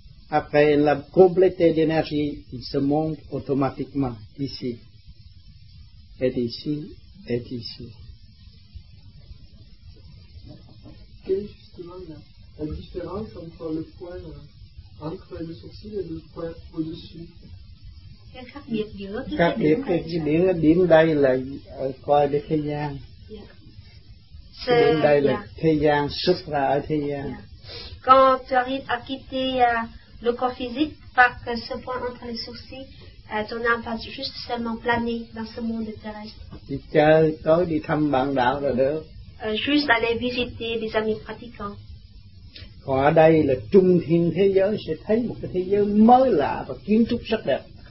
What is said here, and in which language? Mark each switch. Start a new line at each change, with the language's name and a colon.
French: Après la complété d'énergie, il se monte automatiquement ici, et ici, et ici. Quelle est justement la différence entre le point entre le sourcil et le point au-dessus?
Vietnamese: Khác biệt giữa cái điểm này. Điểm đây là coi đến thế gian. Điểm đây là thế gian, xuất ra ở thế gian.
French: Quand tu arrives à quitter le corps physique par ce point entre les sourcils, ton âme va juste seulement planer dans ce monde terrestre.
Vietnamese: Thì chơi, tối đi thăm bạn đạo là được.
French: Juste aller visiter des amis pratiquants.
Vietnamese: Còn ở đây là trung thiên thế giới, sẽ thấy một cái thế giới mới lạ và kiến trúc rất đẹp.